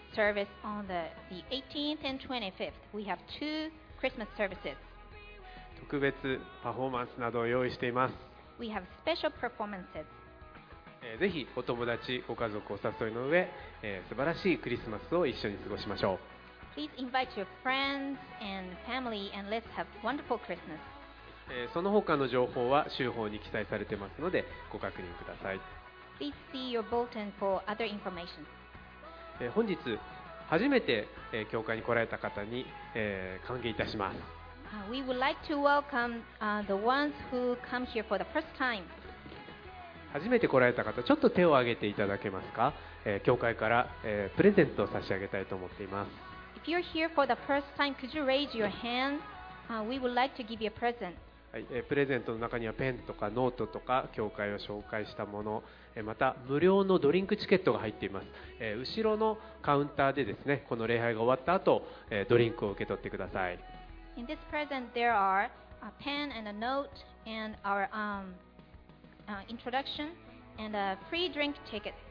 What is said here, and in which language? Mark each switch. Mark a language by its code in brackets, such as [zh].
[en] Service on the 18th and 25th. We have two Christmas services. [ja] 特別パフォーマンスなどを用意しています。 [en] We have special performances. [ja] ぜひお友達、ご家族をお誘いの上、素晴らしいクリスマスを一緒に過ごしましょう。 [en] Please invite your friends and family and let's have wonderful Christmas. [ja] その他の情報は週報に記載されてますのでご確認ください。 [en] Please see your bulletin for other information. [ja] 本日初めて教会に来られた方に歓迎いたします。 [en] We would like to welcome the ones who come here for the first time. [ja] 初めて来られた方ちょっと手を挙げていただけますか？教会からプレゼントを差し上げたいと思っています。 [en] If you're here for the first time, could you raise your hand? We would like to give you a present. [ja] プレゼントの中にはペンとかノートとか教会を紹介したもの、また無料のドリンクチケットが入っています。後ろのカウンターでですね、この礼拝が終わった後ドリンクを受け取ってください。 [en] In this present there are a pen and a note and our introduction and a free drink ticket.